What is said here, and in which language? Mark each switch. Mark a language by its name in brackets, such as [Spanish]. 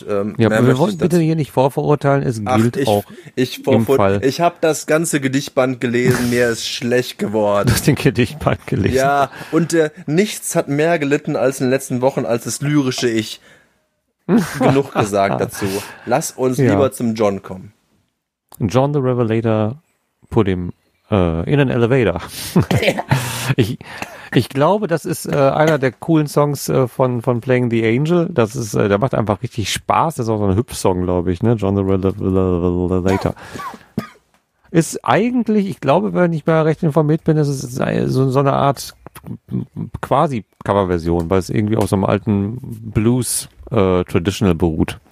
[German] ja, wir wollen bitte hier nicht vorverurteilen, es gilt Fall. Ich habe das ganze Gedichtband gelesen, mir ist schlecht geworden. Du hast den Gedichtband gelesen. Ja, und nichts hat mehr gelitten als in den letzten Wochen, als das lyrische Ich. Genug gesagt dazu. Lass uns lieber zum John kommen. [English] John the Revelator put him in an elevator. [German] Ich glaube, das ist einer der coolen Songs von Playing the Angel. Das ist, der macht einfach richtig Spaß. Das ist auch so ein Hüpfsong, glaube ich, ne? John the Revelator. Ist eigentlich, ich glaube, wenn ich mal recht informiert bin, das ist so eine Art quasi Coverversion, weil es irgendwie auf so einem alten Blues Traditional beruht.